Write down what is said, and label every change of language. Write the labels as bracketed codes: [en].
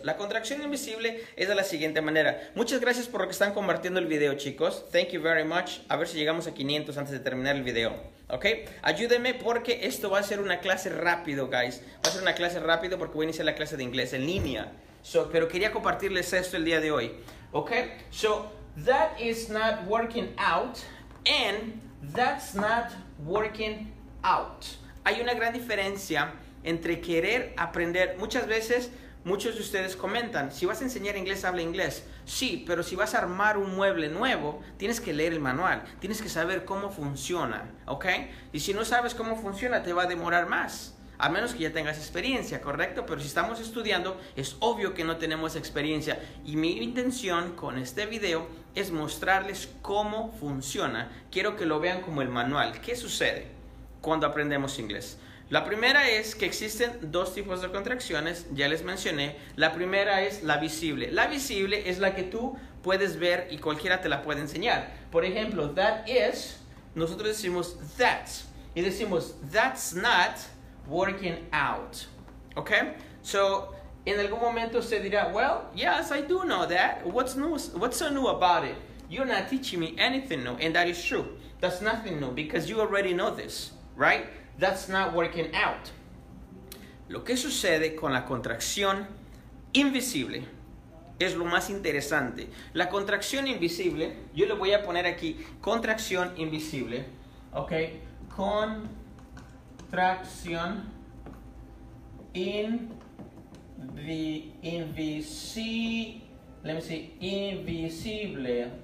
[es] La contracción invisible es de la siguiente manera. Muchas gracias por lo que están compartiendo el video, chicos. [en] Thank you very much. [es] A ver si llegamos a 500 antes de terminar el video. ¿Ok? Ayúdenme porque esto va a ser una clase rápido, guys. Va a ser una clase rápido porque voy a iniciar la clase de inglés en línea. So, pero quería compartirles esto el día de hoy. ¿Ok? [en] So, that is not working out and that's not working out. [es] Hay una gran diferencia entre querer aprender. Muchas veces, muchos de ustedes comentan, si vas a enseñar inglés, habla inglés. Sí, pero si vas a armar un mueble nuevo, tienes que leer el manual. Tienes que saber cómo funciona, ¿ok? Y si no sabes cómo funciona, te va a demorar más. A menos que ya tengas experiencia, ¿correcto? Pero si estamos estudiando, es obvio que no tenemos experiencia. Y mi intención con este video es mostrarles cómo funciona. Quiero que lo vean como el manual. ¿Qué sucede cuando aprendemos inglés? La primera es que existen dos tipos de contracciones, ya les mencioné. La primera es la visible. La visible es la que tú puedes ver y cualquiera te la puede enseñar. Por ejemplo, that is, nosotros decimos that. Y decimos, [en] that's not working out. ¿Ok? So, [es] en algún momento se dirá, [en] well, yes, I do know that. What's new? What's so new about it? You're not teaching me anything new. And that is true. That's nothing new because you already know this, right? That's not working out. [es] Lo que sucede con la contracción invisible es lo más interesante. La contracción invisible, yo le voy a poner aquí contracción invisible. Ok, contracción invisible.